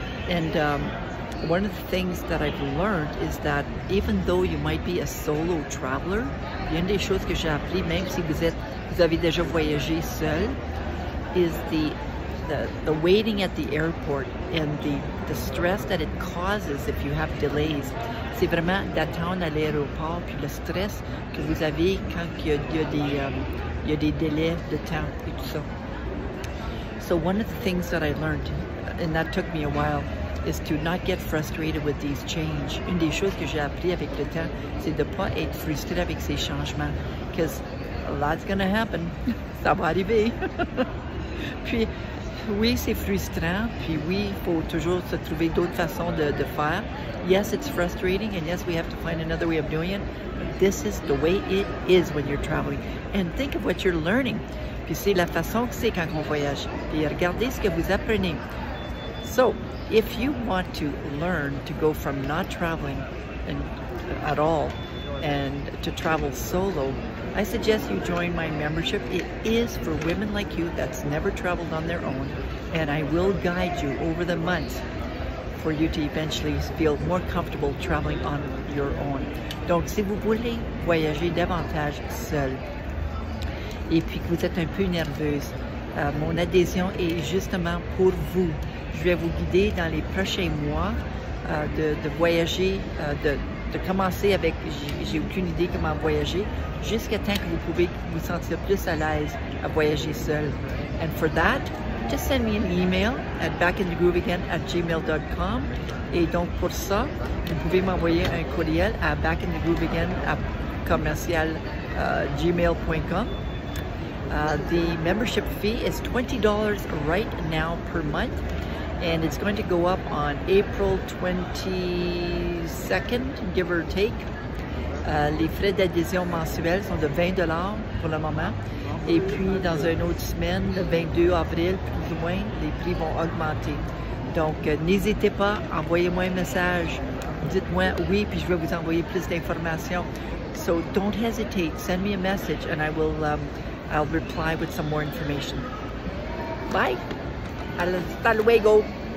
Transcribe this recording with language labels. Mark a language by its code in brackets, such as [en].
[en] And one of the things that I've learned is that even though you might be a solo traveler, [fr] il y a une des choses que j'ai appris, même si vous avez déjà voyagé seul, [en] is the waiting at the airport and the stress that it causes if you have delays. [fr] C'est vraiment d'attendre à l'aéroport, puis le stress que vous avez quand il y a des délais de temps et tout ça. [en] So one of the things that I learned, and that took me a while, is to not get frustrated with these change. [fr] Une des choses que j'ai appris avec le temps, c'est de pas être frustré avec ces changements, [en] because a lot's gonna happen. [fr] Ça va arriver. Puis, oui, c'est frustrant, puis oui, il faut toujours se trouver d'autres façons de faire. [en] Yes, it's frustrating, and yes, we have to find another way of doing it. This is the way it is when you're traveling. And think of what you're learning. [fr] Puis c'est la façon que c'est quand on voyage. Puis regardez ce que vous apprenez. [en] So, if you want to learn to go from not traveling at all and to travel solo, I suggest you join my membership. It is for women like you that's never traveled on their own, and I will guide you over the months for you to eventually feel more comfortable traveling on your own. [fr] Donc, si vous voulez voyager davantage seul et puis que vous êtes un peu nerveuse, mon adhésion est justement pour vous. Je vais vous guider dans les prochains mois de voyager, de commencer avec, j'ai aucune idée comment voyager, jusqu'à temps que vous pouvez vous sentir plus à l'aise à voyager seul. [en] And for that, just send me an email at backinthegrooveagain@gmail.com. [fr] Et donc pour ça, vous pouvez m'envoyer un courriel à backinthegrooveagain@commercial.gmail.com. [en] The membership fee is $20 right now per month. And it's going to go up on April 22nd, give or take. [fr] Les frais d'adhésion mensuels sont de $20 pour le moment. Et puis, dans une autre semaine, le 22 avril, plus ou moins, les prix vont augmenter. Donc, n'hésitez pas, envoyez-moi un message. Dites-moi oui, puis je vais vous envoyer plus d'informations. [en] So, don't hesitate. Send me a message and I will I'll reply with some more information. Bye! [es] Hasta luego.